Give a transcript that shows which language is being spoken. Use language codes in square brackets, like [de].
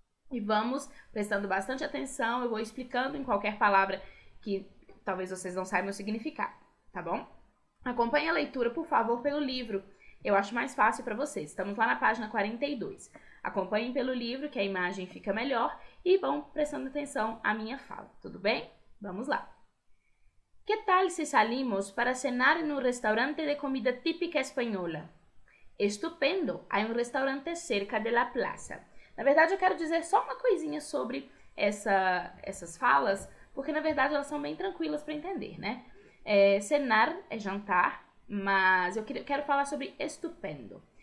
[pt] E vamos prestando bastante atenção, eu vou explicando em qualquer palavra que talvez vocês não saibam o significado, tá bom? Acompanhe a leitura, por favor, pelo livro. Eu acho mais fácil para vocês. Estamos lá na página 42. Acompanhem pelo livro, que a imagem fica melhor, e vão prestando atenção à minha fala, tudo bem? Vamos lá. [es] ¿Qué tal si salimos para cenar en un restaurante de comida típica española? Estupendo, há um restaurante cerca de la plaza. [pt] Na verdade, eu quero dizer só uma coisinha sobre essas falas, porque na verdade elas são bem tranquilas para entender, né? Cenar é jantar, mas eu quero falar sobre estupendo.